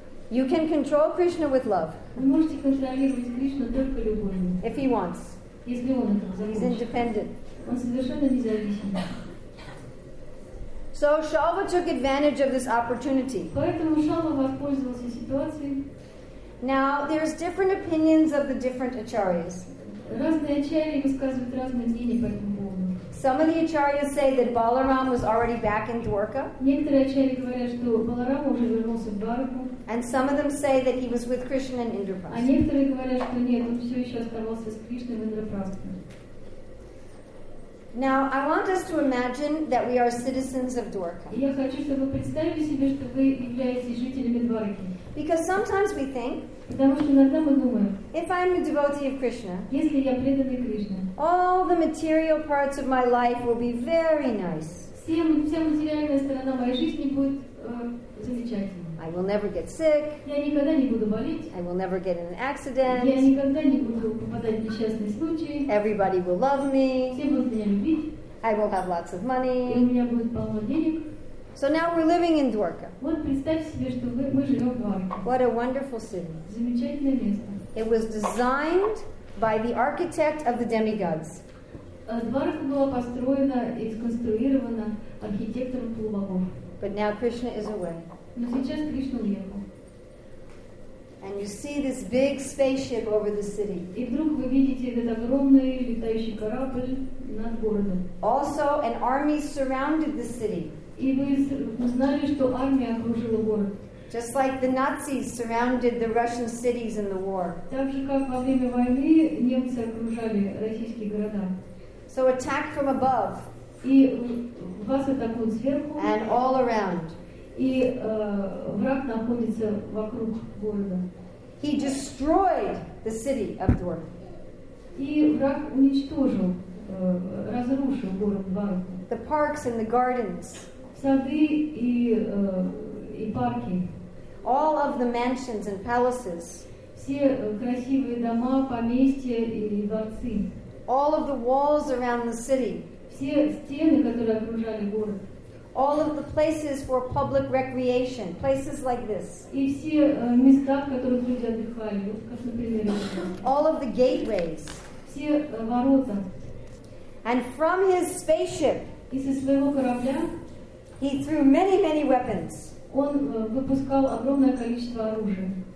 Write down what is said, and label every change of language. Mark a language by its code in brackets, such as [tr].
[en] You can control Krishna with love. [ru] Вы можете контролировать Кришну только любовью. [en] If he wants. [ru] Если он этого захочет. [en] He's independent. [ru] Он совершенно независим. [en] So Shalva took advantage of this opportunity. [ru] Поэтому Шалва воспользовался ситуацией. [en] Now, there's different opinions of the different acharyas. [ru] Разные ачарьи высказывают разные мнения по этому поводу. [en] Some of the acharyas say that Balaram was already back in Dwarka. [ru] Некоторые ачарьи говорят, что Баларам уже вернулся в Дварку. [en] And some of them say that he was with Krishna in Indraprastha. [ru] А некоторые говорят, что нет, он все еще оставался с Кришной в Индрапрастхе. [en] Now, I want us to imagine that we are citizens of Dwarka. [ru] Я хочу, чтобы вы представили себе, что вы являетесь жителями Дварки. [en] Because sometimes we think, [ru] потому что иногда мы думаем, [en] if I'm a devotee of Krishna, [ru] если я преданный Кришне, [en] all the material parts of my life will be very nice. [ru] Вся материальная сторона моей жизни будет замечательной. [en] I will never get sick. [ru] Я никогда не буду болеть. [en] I will never get in an accident. [ru] Я никогда не буду попадать в несчастный случай. [en] Everybody will love me. [ru] Все будут меня любить. [en] I will have lots of money. [ru] И у меня будет полно денег. [en] So now we're living in Dwarka. [ru] Вот представьте себе, что мы живем в Дварке. [en] What a wonderful city. [ru] Замечательное место. [en] It was designed by the architect of the demigods. [ru] Дварка была построена и сконструирована архитектором полубогов. [en] But now Krishna is away. [ru] Но сейчас Кришна уехал. [en] And you see this big spaceship over the city. [ru] И вдруг вы видите этот огромный летающий корабль над городом. [en] Also, an army surrounded the city. [ru] И вы знали, что армия окружила город. [en] Just like the Nazis surrounded the Russian cities in the war. [ru] Так же, как во время войны немцы окружали российские города. [en] So attack from above. [ru] И вас атакуют сверху. [en] And all around. [ru] И враг находится вокруг города. [en] He destroyed the city of Dwarka. [ru] И враг уничтожил, разрушил город Дварку. [en] The parks and the gardens. [ru] Сады и парки. [en] All of the mansions and palaces. [ru] Все красивые дома, поместья и дворцы. [en] All of the walls around the city. [ru] Все стены, которые окружали город. [en] All of the places for public recreation, places like this. [ru] И все места, в которых люди отдыхали, вот как, например, [en] all of the gateways. [ru] Все ворота. [en] And from his spaceship. [ru] И со своего корабля. [en] He threw many, many weapons. [ru] Он выпускал огромное количество оружия.